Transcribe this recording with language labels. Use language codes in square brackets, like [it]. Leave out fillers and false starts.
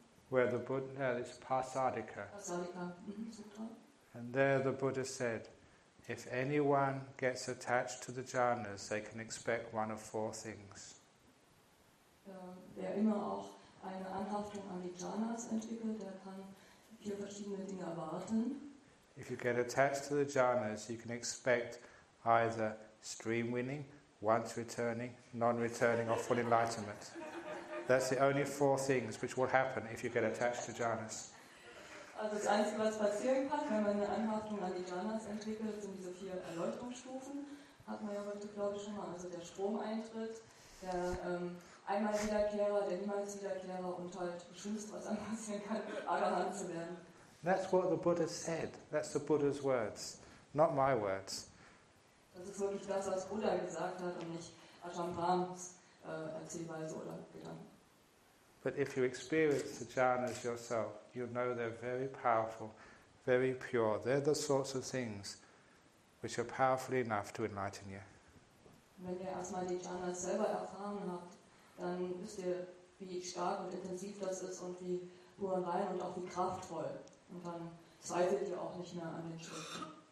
[en] Where the Buddha, no, it's Parsadika. Parsadika, Sutra. And there the Buddha said, if anyone gets attached to the jhanas, they can expect one of four things. [de] Wer immer auch eine Anhaftung an die jhanas entwickelt, der kann vier verschiedene Dinge erwarten. [en] If you get attached to the jhanas, you can expect either stream winning, once returning, non-returning, or full enlightenment. That's the only four things which will happen if you get attached to jhanas. [de] Also das Einzige, was passieren kann, wenn man eine Anhaftung an die jhanas entwickelt, sind diese vier Erläuterungsstufen. Hat man ja heute, glaube ich, schon mal. Also der Stromeintritt, der einmal Wiederkehrer, der niemals Wiederkehrer und halt das Schlimmste, was einem passieren kann, Arahant zu werden. [en] That's what the Buddha said. That's the Buddha's words, not my words. [de] Das ist wirklich das, was Buddha gesagt hat und nicht Ajahn-Brahms Erzählweise oder Gedanken. [en] But if you experience the jhanas yourself, you know they're very powerful, very pure. They're the sorts of things which are powerful enough to enlighten you. [de] Wenn ihr erstmal die jhanas selber erfahren habt, dann wisst ihr, wie stark und intensiv das ist und wie pur und rein und auch wie kraftvoll. Und dann zweifelt ihr auch nicht mehr an den Schritten.